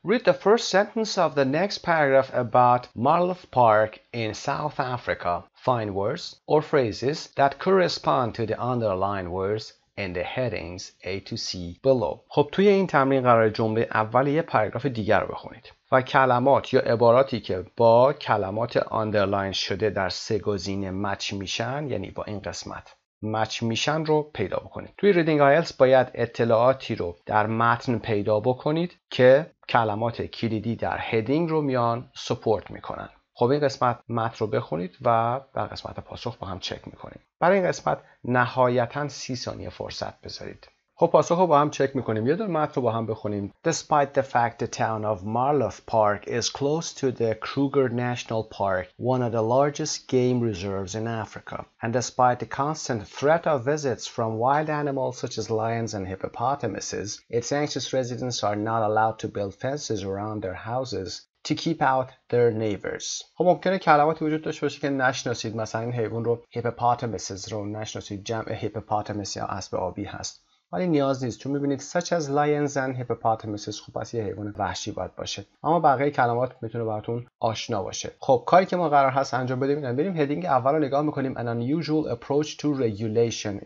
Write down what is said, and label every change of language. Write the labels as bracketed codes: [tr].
[en] Read the first sentence of the next paragraph about Marloth Park in South Africa. Find words or phrases that correspond to the underlined words and the headings A to C below. [fa] خب توی این تمرین قرار جمله اول یه پاراگراف دیگر رو بخونید و کلمات یا عباراتی که با کلمات underline شده در سه گزینه match میشن، یعنی با این قسمت مچ میشن، رو پیدا بکنید. توی ریدینگ آیلتس باید اطلاعاتی رو در متن پیدا بکنید که کلمات کلیدی در هیدینگ رو میان سپورت میکنن. خب این قسمت متن رو بخونید و در قسمت پاسخ با هم چک میکنید. برای این قسمت نهایتاً 30 ثانیه فرصت بذارید. خب پاسخ رو با هم چک میکنیم. یه دور متن رو با هم بخونیم. [en] Despite the fact the town of Marloth Park is close to the Kruger National Park, one of the largest game reserves in Africa, and despite the constant threat of visits from wild animals such as lions and hippopotamuses, its anxious residents are not allowed to build fences around their houses to keep out their neighbors. [fa] خب ممکنه کلماتی وجود داشته باشه که نشناسید، مثلا این حیوان رو hippopotamuses رو نشناسید، جمع hippopotamus یا اسب آبی هست، ولی نیاز نیست چون میبینید [en] such as lions and hippopotamuses، [fa] خب پس یه حیوان وحشی باید باشه، اما بقیه کلمات میتونه براتون آشنا باشه. خب کاری که ما قرار هست انجام بدیم اینه بریم هدینگ اول رو نگاه میکنیم، [en] an unusual approach to regulation.